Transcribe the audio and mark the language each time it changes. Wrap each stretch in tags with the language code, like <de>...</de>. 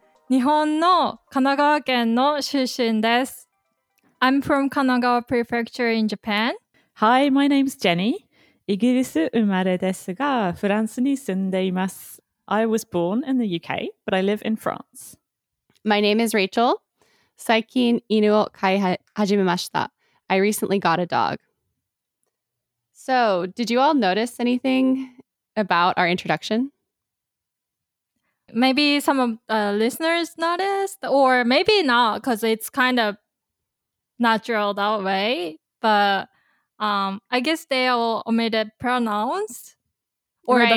<ja>日本の神奈川県の出身です。</ja> <en>I'm from Kanagawa Prefecture in Japan. Hi, my name's Jenny.</en> <ja>イギリス生まれですが、フランスに住んでいます。</ja> <en>I was born in the UK, but I live in France. My name is Rachel.</en> <ja>最近犬を飼い始めました。</ja> <en>I recently got a dog. So, did you all notice anything about our introduction? Maybe some of the listeners noticed, or maybe not, because it's kind of natural that way. But I guess they all omitted pronouns or right.</en>